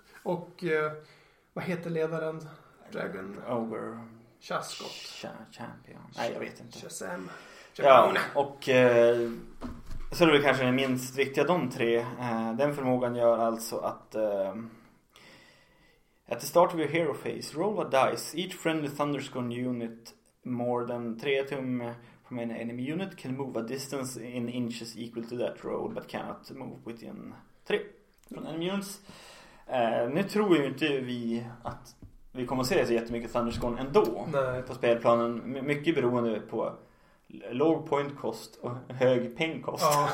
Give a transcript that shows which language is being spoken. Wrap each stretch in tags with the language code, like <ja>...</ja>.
<sv>Och vad heter ledaren? Dragon Ogre. Chaskot. Champion. Nej, jag vet inte. Chasem. Ja, och så är det kanske den minst viktiga de tre. Den förmågan gör alltså att...</sv> <en>at the start of your hero phase, roll a dice. Each friendly Thunderscorn unit... more than 3 tum from an enemy unit can move a distance in inches equal to that roll but cannot move within 3 from enemy units.</en> <sv>Nu tror ju inte vi att vi kommer att se så jättemycket Thunderscorn ändå. Nej. På spelplanen. Mycket beroende på låg pointkost och hög pengkost.</sv>